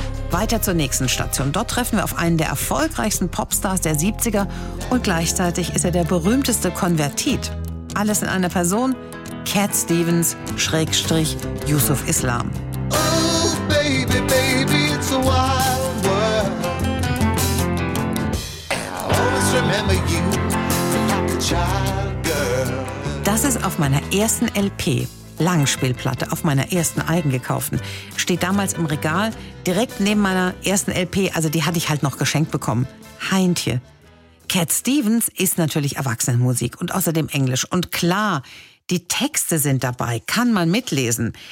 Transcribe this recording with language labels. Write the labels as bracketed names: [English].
[German] Weiter zur nächsten Station. Dort treffen wir auf einen der erfolgreichsten Popstars der 70er und gleichzeitig ist er der berühmteste Konvertit. Alles in einer Person, Cat Stevens / Yusuf Islam. [English] Oh, baby, baby, it's a wild world. I always remember you like a child girl. [German] Das ist auf meiner ersten LP. Langspielplatte auf meiner ersten eigengekauften, steht damals im Regal, direkt neben meiner ersten LP, also die hatte ich halt noch geschenkt bekommen, Heintje. Cat Stevens ist natürlich Erwachsenenmusik und außerdem Englisch. Und klar, die Texte sind dabei, kann man mitlesen.